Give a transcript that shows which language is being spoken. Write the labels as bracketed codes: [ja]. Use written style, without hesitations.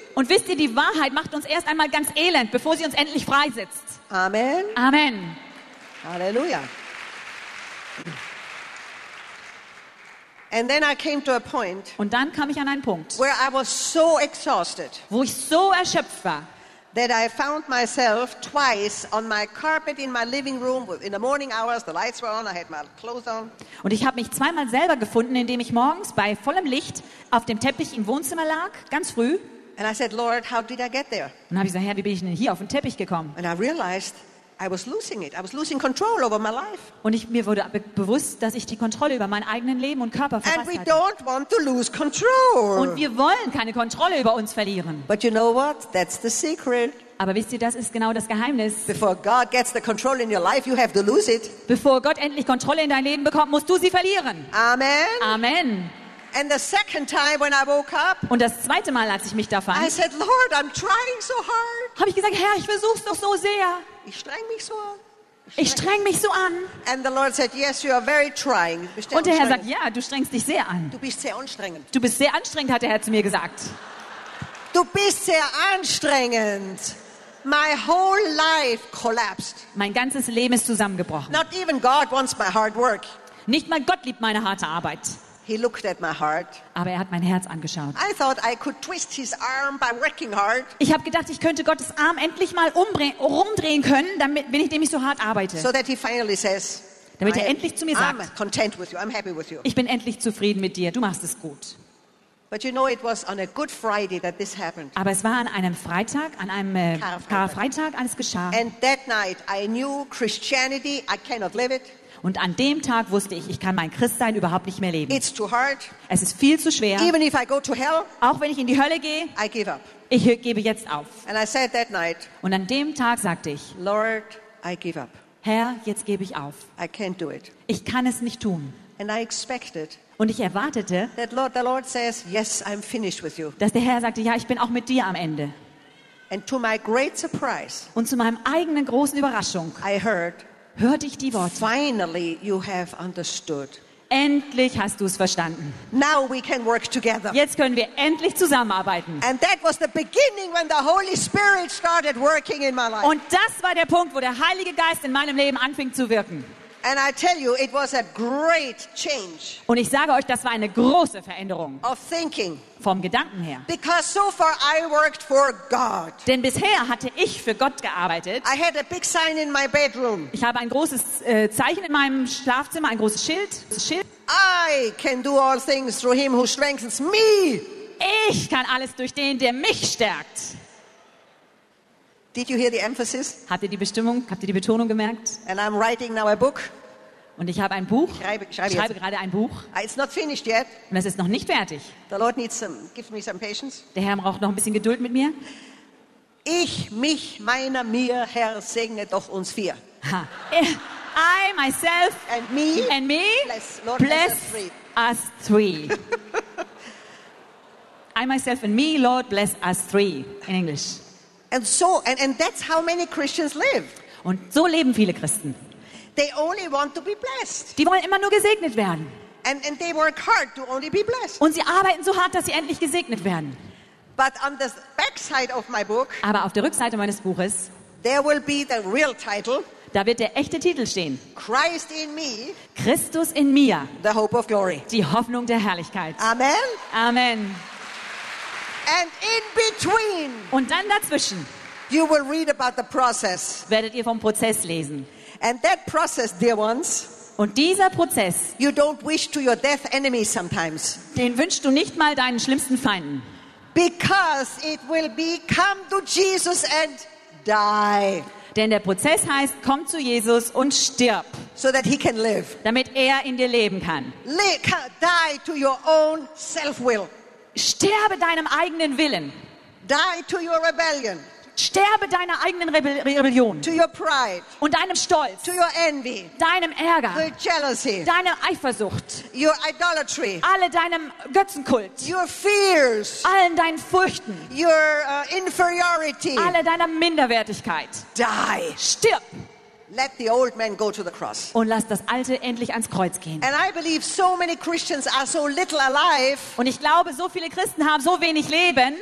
[de] Und wisst ihr, die Wahrheit macht uns erst einmal ganz elend, bevor sie uns endlich freisetzt. [en] Amen. [de] Amen. Halleluja. [en] And then I came to a point, [de] und dann kam ich an einen Punkt, [en] where I was so exhausted, [de] wo ich so erschöpft war, [en] that I found myself twice on my carpet in my living room in the morning hours. The lights were on. I had my clothes on. [de] Und ich habe mich zweimal selber gefunden, indem ich morgens bei vollem Licht auf dem Teppich im Wohnzimmer lag, ganz früh. [en] And I said, Lord, how did I get there? [de] Und habe ich gesagt, Herr, wie bin ich denn hier auf den Teppich gekommen? [en] And I realized I was losing it. I was losing control over my life. [de] Und mir wurde bewusst, dass ich die Kontrolle über mein eigenes Leben und Körper verpasst [en] hatte. And we don't want to lose control. [de] Und wir wollen keine Kontrolle über uns verlieren. [en] But you know what? That's the secret. [de] Aber wisst ihr, das ist genau das Geheimnis. [en] Before God gets the control in your life, you have to lose it. [de] Bevor Gott endlich Kontrolle in dein Leben bekommt, musst du sie verlieren. [en] Amen. [de] Amen. [en] And the second time when I woke up, [de] und das zweite Mal, als ich mich da fand, [en] I said, Lord, I'm trying so hard. [de] Habe ich gesagt, Herr, ich versuch's doch so sehr. Ich streng mich so an. Ich streng mich so an. [en] And the Lord said, yes, you are very trying. [de] Und der Herr sagt, ja, du strengst dich sehr an. Du bist sehr anstrengend. Du bist sehr anstrengend, hat der Herr zu mir gesagt. Du bist sehr anstrengend. [en] My whole life collapsed. [de] Mein ganzes Leben ist zusammengebrochen. [en] Not even God wants my hard work. [de] Nicht mal Gott liebt meine harte Arbeit. [en] He looked at my heart. [de] Aber er hat mein Herz angeschaut. [en] I thought I could twist his arm by working hard. [de] Ich habe gedacht, ich könnte Gottes Arm endlich mal rumdrehen können, damit ich so hart arbeite. [en] So that he finally says, [de] damit er endlich zu mir sagt, [en] I'm content with you. I'm happy with you. [de] Ich bin endlich zufrieden mit dir, du machst es gut. [en] But you know, it was on a Good Friday that this happened. [de] Aber es war an einem Freitag, an einem Karfreitag, als es geschah. [en] And that night I knew Christianity, I cannot live it. [de] Und an dem Tag wusste ich, ich kann mein Christsein überhaupt nicht mehr leben. [en] It's too hard. [de] Es ist viel zu schwer. [en] Even if I go to hell, [de] auch wenn ich in die Hölle gehe, [en] I give up. [de] Ich gebe jetzt auf. [en] And I said that night, [de] und an dem Tag sagte ich, [en] Lord, I give up. [de] Herr, jetzt gebe ich auf. [en] I can't do it. [de] Ich kann es nicht tun. [en] And I expected, [de] und ich erwartete, [en] that Lord, the Lord says, yes, I'm finished with you. [de] Dass der Herr sagte, ja, ich bin auch mit dir am Ende. [en] And to my great surprise, [de] und zu meinem eigenen großen Überraschung, [en] I heard, [de] hörte ich die Worte. [en] Finally, you have understood. [de] Endlich hast du es verstanden. [en] Now we can work together. [de] Jetzt können wir endlich zusammenarbeiten. [en] And that was the beginning when the Holy Spirit started working in my life. [de] Und das war der Punkt, wo der Heilige Geist in meinem Leben anfing zu wirken. [en] And I tell you, it was a great change. [de] Und ich sage euch, das war eine große Veränderung. [en] Of thinking. [de] Vom Gedanken her. [en] Because so far I worked for God. [de] Denn bisher hatte ich für Gott gearbeitet. [en] I had a big sign in my bedroom. [de] Ich habe ein großes Zeichen in meinem Schlafzimmer, ein großes Schild. [en] I can do all things through him who strengthens me. [de] Ich kann alles durch den, der mich stärkt. [en] Did you hear the emphasis? [de] Habt ihr die Bestimmung, habt ihr die Betonung gemerkt? [en] And I'm writing now a book. [de] Und ich habe ein Buch. Ich schreibe gerade ein Buch. [en] It's not finished yet. [de] Und es ist noch nicht fertig. [en] The Lord needs some, give me some patience. [de] Der Herr braucht noch ein bisschen Geduld mit mir. Ich, mich, meiner, mir, Herr, segne doch uns vier. [en] Ha. I, myself, and me, and me bless, Lord, bless us three. Us three. I, myself, and me, Lord, bless us three, in English. And so, and that's how many Christians live. [de] Und so leben viele Christen. [en] They only want to be blessed. [de] Die wollen immer nur gesegnet werden. [en] And they work hard to only be blessed. [de] Und sie arbeiten so hart, dass sie endlich gesegnet werden. [en] But on the backside of my book, [de] aber auf der Rückseite meines Buches, [en] there will be the real title, [de] da wird der echte Titel stehen. [en] Christ in me, [de] Christus in mir, [en] the hope of glory. [de] Die Hoffnung der Herrlichkeit. [en] Amen. [de] Amen. [en] And in between, [de] und dann dazwischen, [en] you will read about the process, [de] werdet ihr vom Prozess lesen. [en] And that process, dear ones, [de] und dieser Prozess, [en] you don't wish to your death enemy sometimes, [de] den wünschst du nicht mal deinen schlimmsten Feinden. [en] Because it will be come to Jesus and die. [de] Denn der Prozess heißt, komm zu Jesus und stirb. [en] So that he can live. [de] Damit er in dir leben kann. [en] Die to your own self-will. [de] Sterbe deinem eigenen Willen. [en] Die to your rebellion. [de] Sterbe deiner eigenen Rebellion. [en] To your pride. [de] Und deinem Stolz. [en] To your envy. [de] Deinem Ärger. [en] Your jealousy. [de] Deine Eifersucht. [en] Your idolatry. [de] Alle deinem Götzenkult. [en] Your fears. [de] Allen deinen Furchten. [en] Your inferiority. [de] Alle deiner Minderwertigkeit. [en] Die. [de] Stirb. [en] Let the old man go to the cross. [de] Und lass das Alte endlich ans Kreuz gehen. [en] And I believe so many Christians are so little alive. [de] Und ich glaube, so viele Christen haben so wenig Leben.